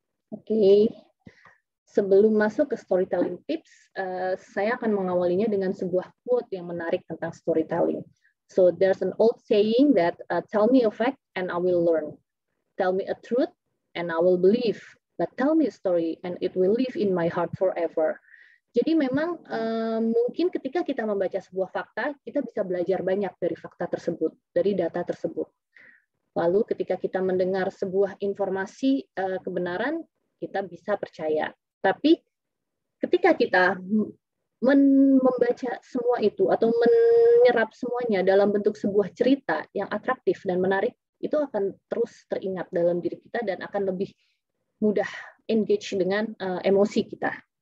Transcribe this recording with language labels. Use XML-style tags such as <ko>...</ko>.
<id>Okay. Sebelum masuk ke storytelling tips, saya akan mengawalinya dengan sebuah quote yang menarik tentang storytelling.</id> <en>So there's an old saying that tell me a fact and I will learn. Tell me a truth and I will believe. But tell me a story and it will live in my heart forever.</en> <id>Jadi memang mungkin ketika kita membaca sebuah fakta, kita bisa belajar banyak dari fakta tersebut, dari data tersebut. Lalu ketika kita mendengar sebuah informasi kebenaran, kita bisa percaya. Tapi ketika kita membaca semua itu atau menyerap semuanya dalam bentuk sebuah cerita yang atraktif dan menarik, itu akan terus teringat dalam diri kita dan akan lebih mudah engage dengan emosi kita.</id>